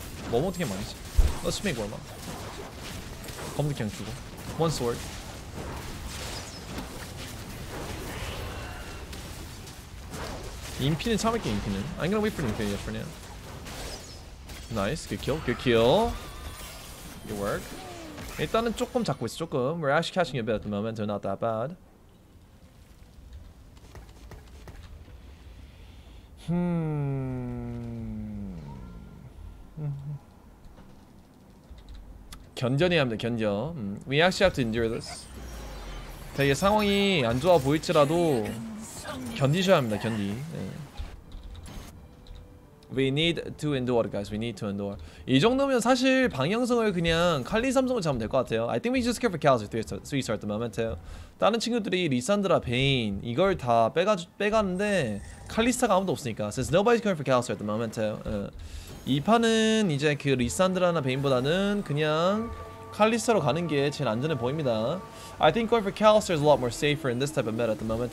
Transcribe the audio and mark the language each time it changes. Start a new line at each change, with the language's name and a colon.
Korean: 뭐 어떻게 말이지?
English: Let's make one more.
Korean: 검득형 주고.
English: One sword.
Korean: Impi는 참을게, Impi는.
English: I'm gonna wait for Impi for now. Nice, good kill, good kill. Good work.
Korean: 일단은 조금 잡고 있어, 조금.
English: We're actually catching a bit at the moment, so not that bad. Hmm.
Korean: 견뎌내야 합니다, 견뎌.
English: We actually have to endure this.
Korean: 되게 상황이 안 좋아 보일지라도 견디셔야 합니다, 견디.
English: We need to endure, guys. We need to endure.
Korean: 이 정도면 사실 방향성을 그냥 칼리 삼성을 잡으면 될 것 같아요.
English: I think we just care for Kalos 3-star at the moment.
Korean: 다른 친구들이 리산드라, 베인 이걸 다 빼가는데 칼리스타가 아무도 없으니까.
English: Since nobody's going for Kalos at the moment.
Korean: 이 판은 이제 그 리산드라나 베인보다는 그냥 칼리스타로 가는 게 제일 안전해 보입니다.
English: I think going for Kalos is a lot more safer in this type of meta at the moment.